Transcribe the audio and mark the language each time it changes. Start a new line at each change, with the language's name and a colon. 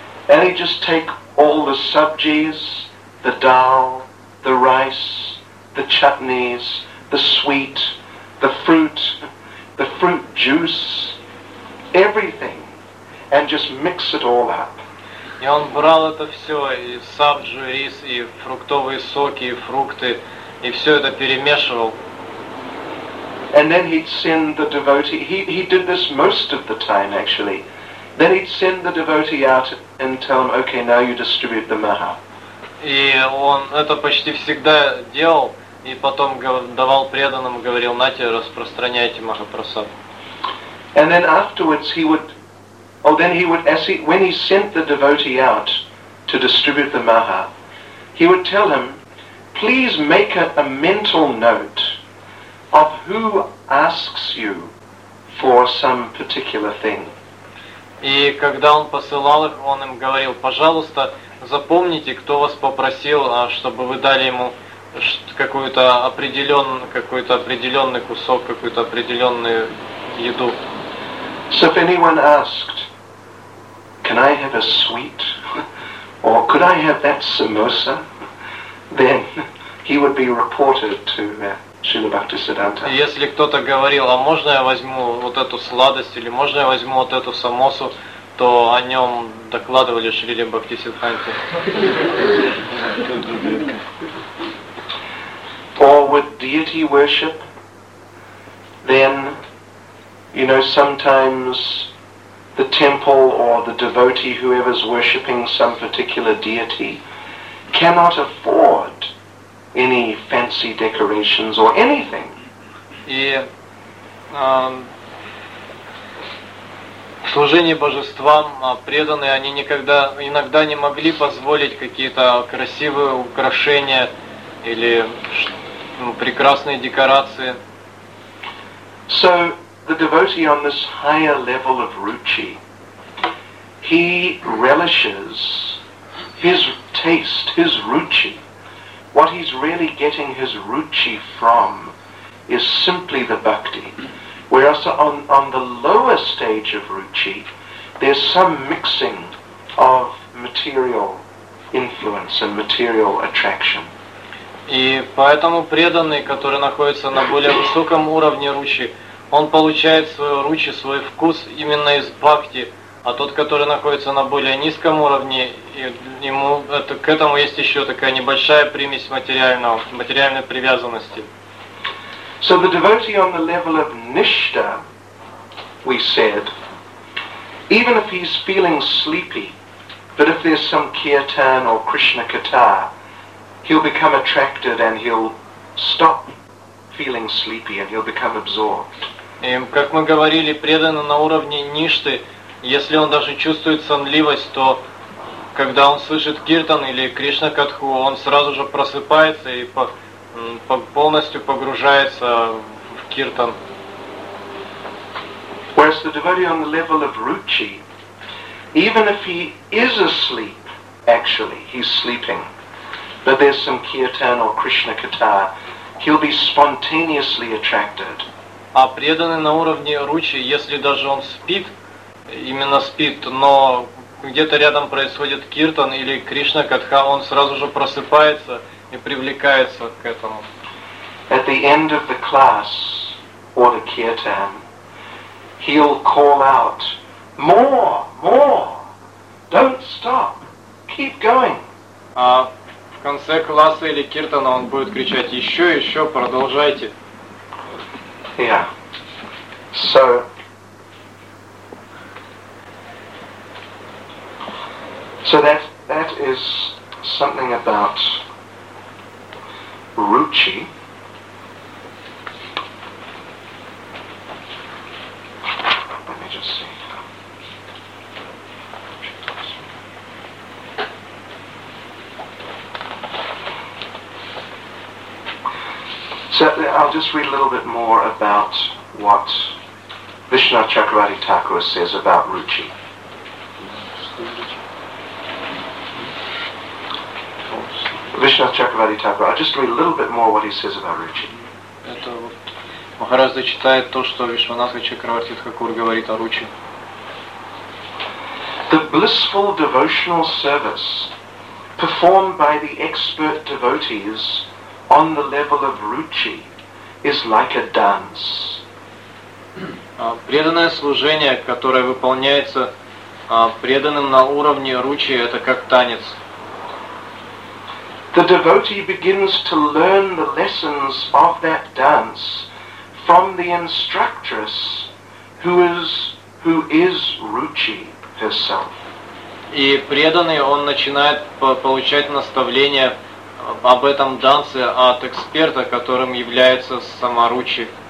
English: And he'd just take all the sabjis, the dal, the rice, the chutneys, the sweet, the fruit juice, everything, and just mix it all up.
Russian: И он брал это все, и сабджу, рис, и фруктовые соки, и фрукты, и все это перемешивал.
English: And then he'd send the devotee, he did this most of the time, actually. Then he'd send the devotee out and tell him, okay, now you distribute the maha.
Russian: И он это почти всегда делал, и потом давал преданным, говорил, нате, распространяйте махапрасад.
English: And then afterwards when he sent the devotee out to distribute the maha, he would tell him, please make a mental note of who asks you for some particular thing.
Russian: И когда он посылал их, он им говорил, пожалуйста, запомните, кто вас попросил, чтобы вы дали ему какой-то определенный кусок, какую-то определенную еду.
English: So if anyone asked, can I have a sweet? Or could I have that samosa? Then he would be reported to Śrīla Bhaktisiddhanta.
Russian: Если кто-то говорил, а можно я возьму вот эту сладость, или можно я возьму вот эту самосу, то о нем докладывали Шриле Бхактисиддханте.
English: Or would deity worship then, you know, sometimes the temple or the devotee, whoever's worshipping some particular deity, cannot afford any fancy decorations or anything.
Russian: В служении божествам преданные, они никогда, иногда не могли позволить какие-то красивые украшения или прекрасные декорации.
English: So, the devotee on this higher level of ruchi, he relishes his taste, his ruchi. What he's really getting his ruchi from is simply the bhakti. Whereas on the lower stage of ruchi, there's some mixing of material influence and material attraction.
Russian: И поэтому преданный, который находится на более высоком уровне ручи, он получает свою ручи, свой вкус именно из бхакти, а тот, который находится на более низком уровне, ему это, к этому есть еще такая небольшая примесь материального, материальной привязанности.
English: So the devotee on the level of nishta, we said, even if he's feeling sleepy, but if there's some kirtan or Krishna katha, he'll become attracted and he'll stop feeling sleepy and he'll become absorbed.
Russian: И, как мы говорили, преданно на уровне ништы, если он даже чувствует сонливость, то когда он слышит киртан или Кришна катху, он сразу же просыпается и полностью погружается в киртан.
English: Whereas the devotee on the level of ruchi, even if he is asleep, actually, he's sleeping, but there's some kirtan or Krishna katha, he'll be spontaneously attracted.
Russian: А преданный на уровне ручи, если даже он спит, именно спит, но где-то рядом происходит киртан или Кришна катха, он сразу же просыпается и привлекается к этому.
English: At the end of the class or the kirtan, he'll call out, more, more, don't stop, keep going.
Russian: А в конце класса или киртана он будет кричать, еще, еще, продолжайте.
English: Yeah. So, that is something about ruchi. Let me just see. So I'll just read a little bit more about what Vishnu Chakravarti Thakur says about ruchi. Vishnu Chakravarti Thakur, I'll just read a little bit more what he says about ruchi.
Russian: Махараджа читает то, что Вишванатха Чакраварти Тхакур говорит о ручи.
English: The blissful devotional service performed by the expert devotees on the level of ruchi is like a dance.
Russian: Преданное служение, которое выполняется преданным на уровне ручи, это как танец.
English: The devotee begins to learn the lessons of that dance from the instructress who is ruchi herself.
Russian: И преданный, он начинает получать наставления об этом танце от эксперта, которым является сама ручи.